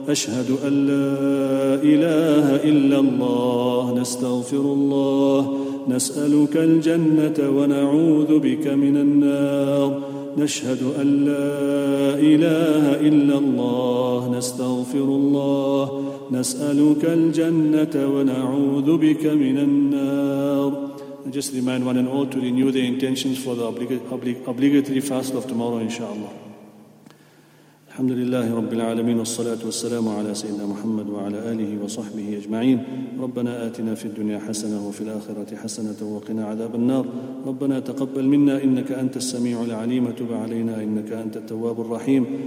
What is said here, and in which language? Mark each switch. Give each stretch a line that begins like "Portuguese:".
Arabic: أشهد أن لا إله إلا الله نستغفر الله نسألك الجنة ونعوذ بك من النار نشهد أن لا إله إلا الله نستغفر الله نسألك الجنة ونعوذ بك من النار.
English: Just remind one and all to renew their intentions for the obligatory fast of tomorrow, inshallah.
Arabic: الحمد لله رب العالمين والصلاة والسلام على سيدنا محمد وعلى آله وصحبه أجمعين. ربنا آتنا في الدنيا حسنة وفي الآخرة حسنة وقنا عذاب النار. ربنا تقبل منا إنك أنت السميع العليم، تب علينا إنك أنت التواب الرحيم.